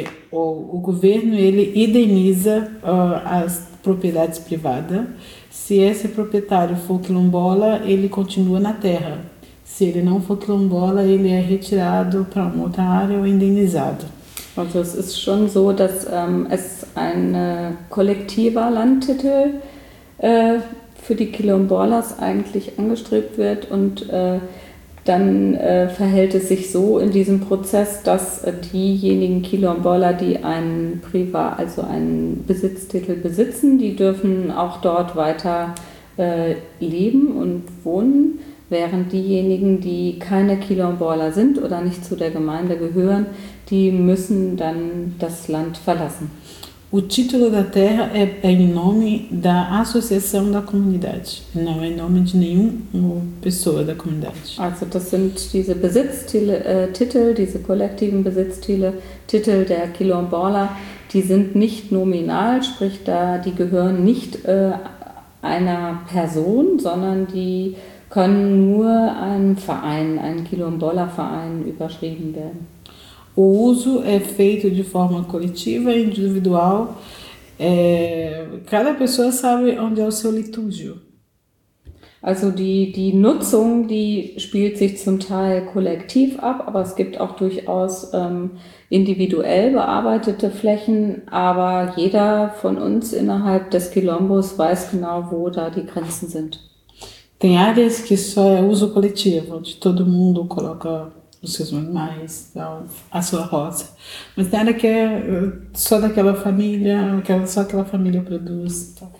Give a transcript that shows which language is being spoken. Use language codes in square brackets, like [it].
[pt] O governo ele indeniza as propriedades privadas. Se esse proprietário for quilombola, ele continua na terra. Se ele não for quilombola, ele é retirado para uma outra área ou indenizado. [de] Also es ist schon so, dass es ein kollektiver Landtitel für die Quilombolas eigentlich angestrebt wird und dann verhält es sich so in diesem Prozess, dass diejenigen Quilombola, die einen Priva, also einen Besitztitel besitzen, die dürfen auch dort weiter leben und wohnen, während diejenigen, die keine Kilomboler sind oder nicht zu der Gemeinde gehören, die müssen dann das Land verlassen. [pt] O título da terra é em nome da associação da comunidade, não é em nome de nenhuma pessoa da comunidade. [de] Also, das sind diese Besitztitel, diese kollektiven Besitztitel der Quilomboler, die sind nicht nominal, sprich, da die gehören nicht einer Person, sondern die können nur einem Verein, einem Quilomboler-Verein, überschrieben werden. [pt] O uso é feito de forma coletiva e individual. É, cada pessoa sabe onde é o seu litúgio. [de] Also die Nutzung, die spielt sich zum Teil kollektiv ab, aber es gibt auch durchaus individuell bearbeitete Flächen, aber jeder von uns innerhalb des Quilombos weiß genau, wo da die Grenzen sind. [pt] Tem áreas que só é uso coletivo, onde todo mundo coloca os seus animais, a sua roça. Mas tem área que é só daquela família, só aquela família produz.